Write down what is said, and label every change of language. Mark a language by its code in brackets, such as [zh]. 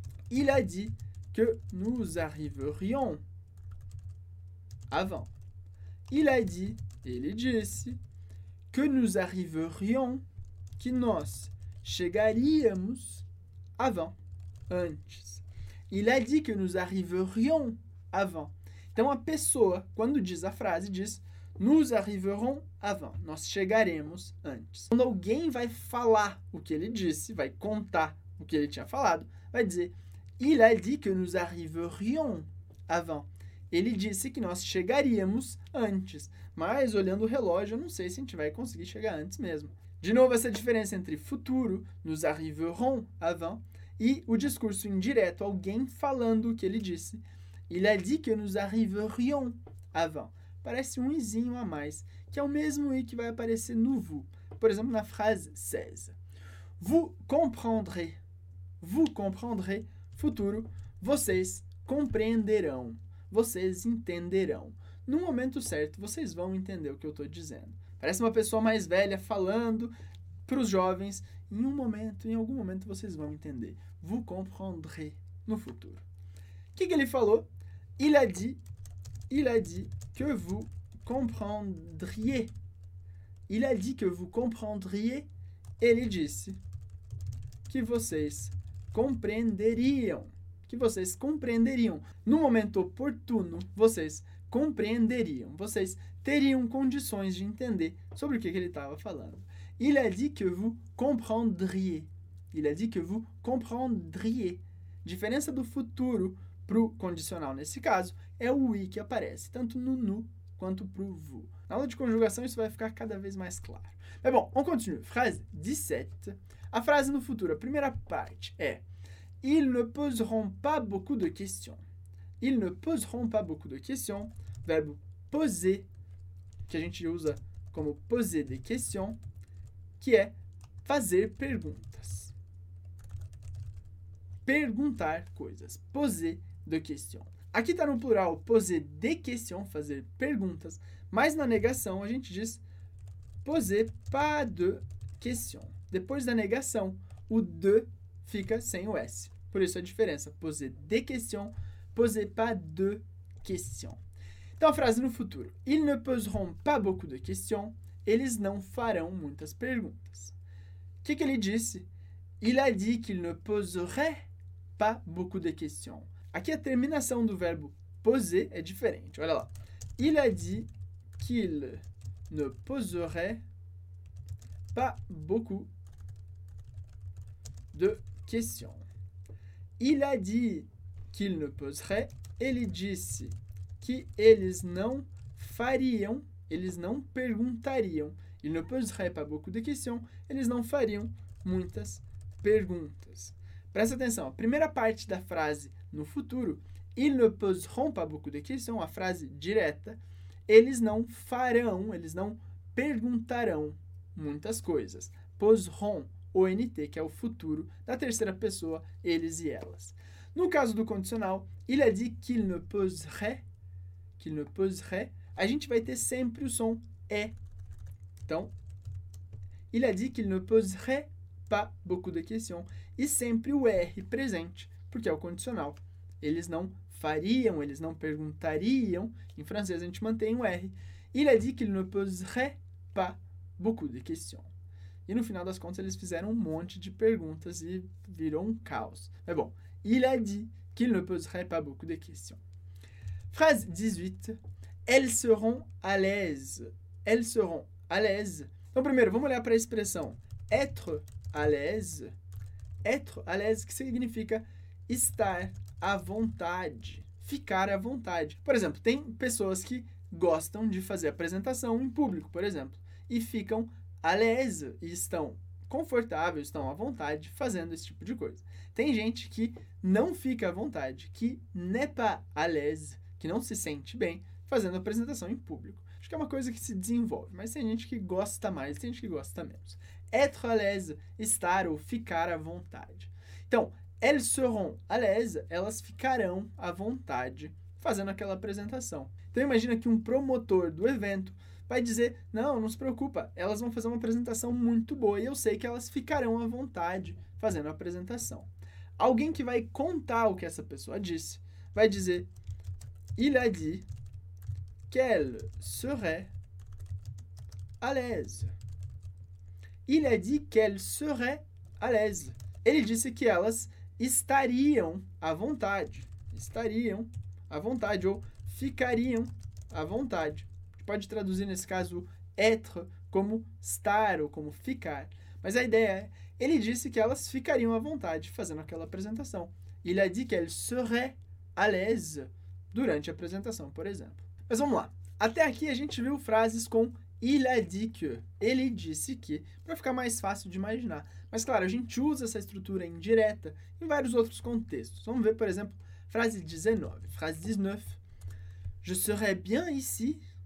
[fr] Il a dit que nous arriverions avant. Il a dit, [pt] ele disse, [fr] que nous arriverions, [pt] que nós chegaríamos [fr] avant, [pt] antes. [fr] Il a dit que nous arriverions avant. [pt] Então, a pessoa, quando diz a frase, diz: [fr] Nous arriverons avant. [pt] Nós chegaremos antes. Quando alguém vai falar o que ele disse, vai contar o que ele tinha falado, vai dizer: [fr] Il a dit que nous arriverions avant. [pt] Ele disse que nós chegaríamos antes. Mas olhando o relógio, eu não sei se a gente vai conseguir chegar antes mesmo. De novo, essa diferença entre futuro, [fr] nous arriverons avant, [pt] e o discurso indireto, alguém falando o que ele disse. [fr] Il a dit que nous arriverions avant. [pt] Parece um izinho a mais, que é o mesmo i que vai aparecer no vous. Por exemplo, na frase 16. [fr] Vous comprendrez. Vous comprendrez. [pt] Futuro, vocês compreenderão. Vocês entenderão. No momento certo, vocês vão entender o que eu estou dizendo. Parece uma pessoa mais velha falando para os jovens. Em um momento, em algum momento, vocês vão entender. [fr] Vous comprendrez [pt] no futuro. O que ele falou? [fr] Il a dit que vous comprendriez. Il a dit que vous comprendriez. [pt] Ele disse que vocês compreenderiam. Que vocês compreenderiam. No momento oportuno, vocês compreenderiam. Vocês teriam condições de entender sobre o que ele estava falando. [fr] Il a dit que vous comprendriez. Il a dit que vous comprendriez. [pt] Diferença do futuro para o condicional, nesse caso, é o i que aparece, tanto no nu quanto para o vous. Na aula de conjugação, isso vai ficar cada vez mais claro. Mas bom, vamos continuar. Frase 17. A frase no futuro, a primeira parte é: [fr] Ils ne poseront pas beaucoup de questions. Ils ne poseront pas beaucoup de questions. [pt] Verbo poser, que a gente usa como [fr] poser des questions, [pt] que é fazer perguntas. Perguntar coisas. [fr] Poser de questions. [pt] Aqui está no plural [fr] poser des questions, [pt] fazer perguntas, mas na negação a gente diz [fr] poser pas de questions. [pt] Depois da negação, o de fica sem o S. Por isso a diferença, [fr] poser des questions, poser pas de questions. [pt] Então a frase no futuro, [fr] ils ne poseront pas beaucoup de questions, [pt] eles não farão muitas perguntas. O que ele disse? [fr] Il a dit qu'il ne poserait pas beaucoup de questions. [pt] Aqui a terminação do verbo poser é diferente. Olha lá. [fr] Il a dit qu'il ne poserait pas beaucoup de questions. Il a dit qu'il ne poserait. [pt] Ele disse que eles não fariam, eles não perguntariam. [fr] Il ne poserait pas beaucoup de questions. [pt] Eles não fariam muitas perguntas. Presta atenção. A primeira parte da frase no futuro, [fr] ils ne poseront pas beaucoup de questions, [pt] a frase direta, eles não farão, eles não perguntarão muitas coisas. Poseront, ONT, que é o futuro da terceira pessoa, eles e elas. No caso do condicional, [fr] il a dit qu'il ne poserait, [pt] a gente vai ter sempre o som E. Então, [fr] il a dit qu'il ne poserait pas beaucoup de questions, [pt] e sempre o R presente, porque é o condicional. Eles não fariam, eles não perguntariam. Em francês, a gente mantém o R. [fr] Il a dit qu'il ne poserait pas beaucoup de questions. [pt] E no final das contas, eles fizeram um monte de perguntas e virou um caos. Mas bom, [fr] il a dit qu'il ne poserait pas beaucoup de questions. Phrase 18. Elles seront à l'aise. Elles seront à l'aise. [pt] Então, primeiro, vamos olhar para a expressão [fr] être à l'aise. Être à l'aise, [pt] que significa estar à vontade, ficar à vontade. Por exemplo, tem pessoas que gostam de fazer apresentação em público, por exemplo, e ficam à l'aise, e estão confortáveis, estão à vontade fazendo esse tipo de coisa. Tem gente que não fica à vontade, que [fr] n'est pas à l'aise, [pt] que não se sente bem fazendo apresentação em público. Acho que é uma coisa que se desenvolve, mas tem gente que gosta mais, tem gente que gosta menos. [fr] Être à l'aise, [pt] estar ou ficar à vontade. Então, [fr] elles seront à l'aise, [pt] elas ficarão à vontade fazendo aquela apresentação. Então imagina que um promotor do evento vai dizer, não se preocupa, elas vão fazer uma apresentação muito boa e eu sei que elas ficarão à vontade fazendo a apresentação. Alguém que vai contar o que essa pessoa disse vai dizer, [fr] il a dit qu'elle serait à l'aise. Il a dit qu'elle serait à l'aise. [pt] Ele disse que elas estariam à vontade. Estariam à vontade ou ficariam à vontade. Pode traduzir nesse caso être como estar ou como ficar. Mas a ideia é, ele disse que elas ficariam à vontade fazendo aquela apresentação. [fr] Il a dit qu'elle serait à l'aise [pt] durante a apresentação, por exemplo. Mas vamos lá. Até aqui a gente viu frases com [fr] il a dit que, [pt] ele disse que, para ficar mais fácil de imaginar. Mas claro, a gente usa essa estrutura indireta em vários outros contextos. Vamos ver, por exemplo, frase 19. [fr] Je serais bien ici.